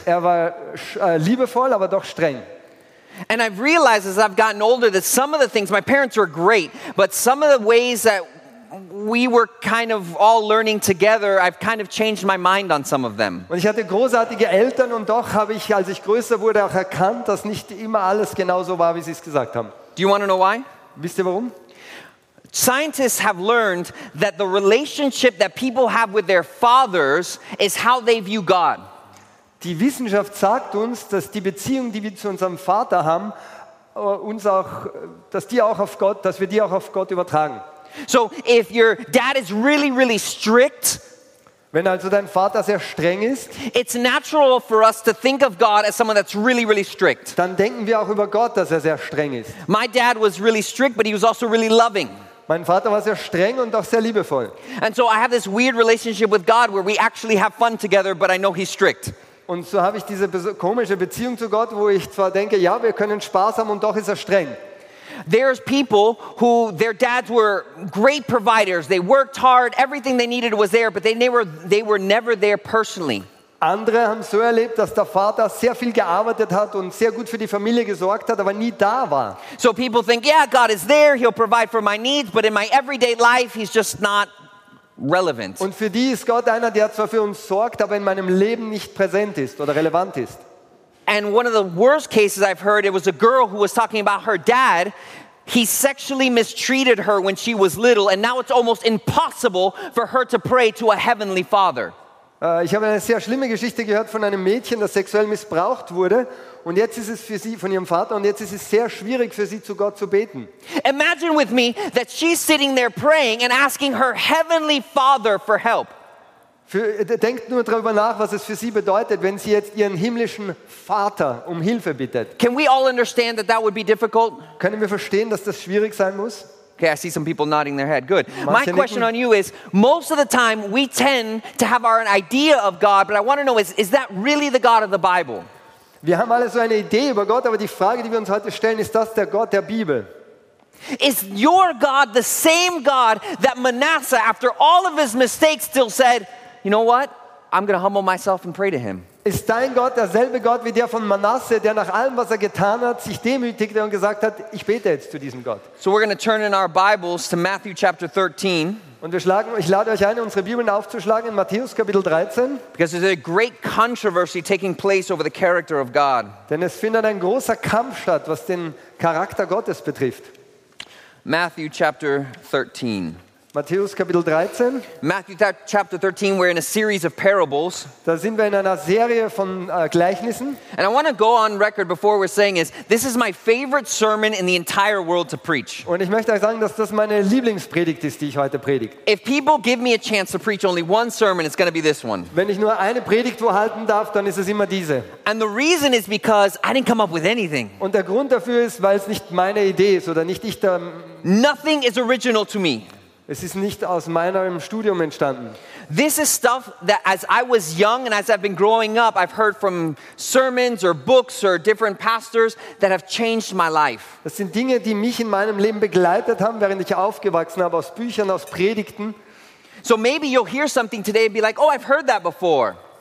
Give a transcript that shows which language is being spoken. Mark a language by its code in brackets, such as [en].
[de] Er war liebevoll, aber doch streng. [en] And I've realized as I've gotten older that some of the things, my parents were great, but some of the ways that we were kind of all learning together, I've kind of changed my mind on some of them. [de] Und ich hatte großartige Eltern und doch habe ich, als ich größer wurde, auch erkannt, dass nicht immer alles genauso war, wie sie es gesagt haben. [en] Do you want to know why? [de] Wisst ihr warum? [en] Scientists have learned that the relationship that people have with their fathers is how they view God. [de] Die Wissenschaft sagt uns, dass die Beziehung, die wir zu unserem Vater haben, uns auch, dass wir die auch auf Gott übertragen. [en] So if your dad is really, really strict, [de] wenn also dein Vater sehr streng ist, [en] it's natural for us to think of God as someone that's really, really strict. [de] Dann denken wir auch über Gott, dass sehr streng ist. [en] My dad was really strict, but he was also really loving. [de] Mein Vater war sehr streng und auch sehr liebevoll. [en] And so I have this weird relationship with God where we actually have fun together, but I know he's strict. [de] Und so habe ich diese komische Beziehung zu Gott, wo ich zwar denke, ja, wir können Spaß haben und doch ist streng. [en] There's people who their dads were great providers. They worked hard. Everything they needed was there, but they were never there personally. [de] Andere haben so erlebt, dass der Vater sehr viel gearbeitet hat und sehr gut für die Familie gesorgt hat, aber nie da war. [en] So people think, yeah, God is there. He'll provide for my needs, but in my everyday life, he's just not relevant. [de] Und für die ist Gott einer, der zwar für uns sorgt, aber in meinem Leben nicht präsent ist oder relevant ist. [en] And one of the worst cases I've heard, it was a girl who was talking about her dad. He sexually mistreated her when she was little, and now it's almost impossible for her to pray to a heavenly father. [de] Ich habe eine sehr schlimme Geschichte gehört von einem Mädchen, das sexuell missbraucht wurde, und jetzt ist es für sie von ihrem Vater, und jetzt ist es sehr schwierig für sie, zu Gott zu beten. [en] Imagine with me that she's sitting there praying and asking her heavenly father for help. [de] Denkt nur darüber nach, was es für sie bedeutet, wenn sie jetzt ihren himmlischen Vater um Hilfe bittet. [en] Can we all understand that that would be difficult? [de] Können wir verstehen, dass das schwierig sein muss? [en] Okay, I see some people nodding their head. Good. My question on you is, most of the time we tend to have our idea of God, but I want to know, is that really the God of the Bible? [de] Wir haben alle so eine Idee über Gott, aber die Frage, die wir uns heute stellen, ist das der Gott der Bibel? [en] Is your God the same God that Manasseh, after all of his mistakes, still said, you know what, I'm going to humble myself and pray to him? [de] Ist dein Gott derselbe Gott wie der von Manasseh, der nach allem, was er getan hat, sich demütigte und gesagt hat, ich bete jetzt zu diesem Gott? [en] So we're going to turn in our Bibles to Matthew chapter 13. [de] Und ich lade euch ein, unsere Bibeln aufzuschlagen in Matthäus Kapitel 13. [en] Because there's a great controversy taking place over the character of God. [de] Denn es findet ein großer Kampf statt, was den Charakter Gottes betrifft. [en] Matthew chapter 13. [de] Matthäus Kapitel 13. [en] Matthew chapter 13, we're in a series of parables. [de] Da sind wir in einer Serie von Gleichnissen. [en] And I want to go on record before we're saying is, this is my favorite sermon in the entire world to preach. [de] Und ich möchte euch sagen, dass das meine Lieblingspredigt ist, die ich heute predige. [en] If people give me a chance to preach only one sermon, it's going to be this one. [de] Wenn ich nur eine Predigt wo halten darf, dann ist es immer diese. [en] And the reason is because I didn't come up with anything. [de] Und der Grund dafür ist, weil es nicht meine Idee ist oder nicht ich da. [en] Nothing is original to me. [de] Es ist nicht aus meinem Studium entstanden. [en] This is stuff that as I was young and as I've been growing up, I've heard from sermons or books or different pastors that have changed my life. [de] Das sind Dinge, die mich in meinem Leben begleitet haben, während ich aufgewachsen habe, aus Büchern, aus Predigten. [en] So maybe you'll hear something today and be like, oh, I've heard that before.